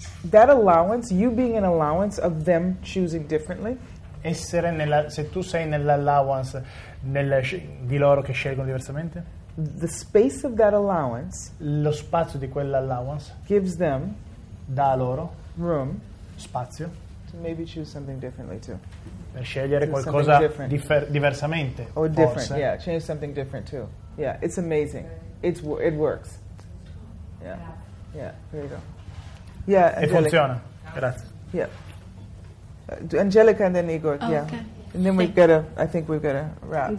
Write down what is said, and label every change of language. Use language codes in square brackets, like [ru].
[en] That allowance, you being an allowance of them choosing differently. [it] Essere nella, se tu sei nell'allowance di loro che scelgono diversamente. [en] The space of that allowance. [it] Lo spazio di quell'allowance. [en] Gives them. [it] Da loro. [en] Room. [it] Spazio. [en] To maybe choose something differently too. [it] Per scegliere qualcosa diversamente. [en] Or [it] forse. [en] Different, yeah, change something different too. Yeah, it's amazing. It works. Yeah, yeah, there you go. Yeah, [it] e funziona, grazie. [en] Yeah. Angelica and then Igor. Oh, yeah. Okay. And then we've got I think we've got a wrap.